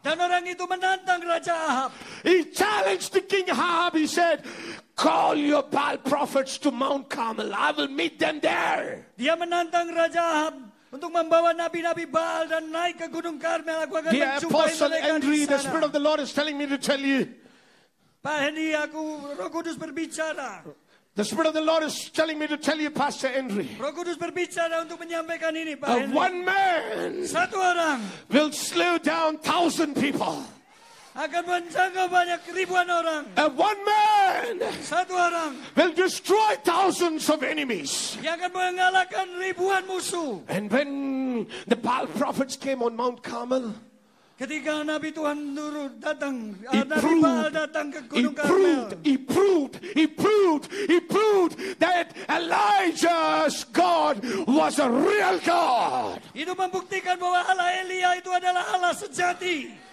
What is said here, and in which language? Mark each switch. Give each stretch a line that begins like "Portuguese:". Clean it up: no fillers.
Indonesian: Dan orang itu menantang Raja Ahab.
English: He challenged King Ahab. He said, call your Baal prophets to Mount Carmel. I will meet them there.
Indonesian: Dia menantang Raja Ahab untuk membawa nabi-nabi Baal dan naik ke Gunung Carmel. Aku akan
English: dear Apostle Andrew, the Spirit of the Lord is telling me to tell you.
Indonesian: Pak Henry, aku Roh Kudus berbicara.
English: The Spirit of the Lord is telling me to tell you, Pastor Henry.
Indonesian: Roh Kudus berbicara untuk menyampaikan ini, Pak Henry.
English: One man.
Indonesian: Satu orang.
English: Will slew down 1,000 people.
Indonesian: Akan menjangkau banyak ribuan orang.
English: And one man.
Indonesian: Satu orang.
English: Will destroy thousands of enemies.
Indonesian: Yang akan mengalahkan ribuan musuh.
English: And when the Baal prophets came on Mount Carmel.
Indonesian: Ketika Nabi Tuhan turun datang, Nabi Baal datang ke Gunung Carmel.
English: He proved that Elijah's God was a real God.
Indonesian: Itu membuktikan bahwa Allah Elia itu adalah Allah sejati.